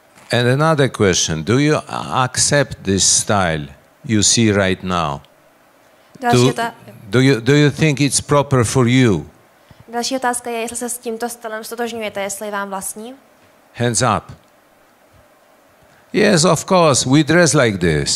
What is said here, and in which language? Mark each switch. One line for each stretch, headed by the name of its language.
English: And another question, do you accept this style you see right now? Do you think it's proper for you?
Czech: Další otázka je, jestli se s tímto stylem ztotožňujete, jestli je vám vlastní?
English: Hands up. Yes, of course, we dress like this.